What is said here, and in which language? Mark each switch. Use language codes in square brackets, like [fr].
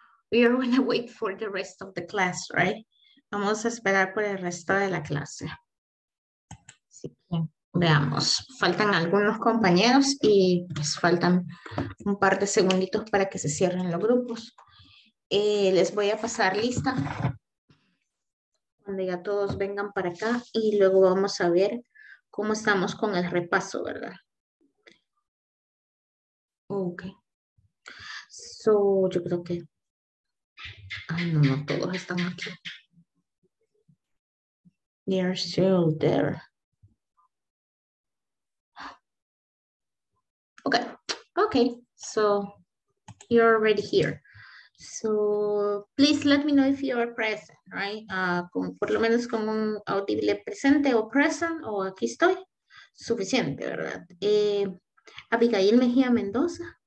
[en] We are going to wait for the rest of the class, right? [es] Vamos a esperar por el resto de la clase. Sí. Veamos, faltan algunos compañeros y pues faltan un par de segunditos para que se cierren los grupos. Les voy a pasar lista cuando ya todos vengan para acá y luego vamos a ver cómo estamos con el repaso, ¿verdad? Ok. So, yo creo que... No, todos están aquí. [en] They're still there. Okay, so you're already here. So, please let me know if you are present, right? [es] Por lo menos con un audible presente o present, o aquí estoy. Suficiente, ¿verdad? Abigail Mejía Mendoza.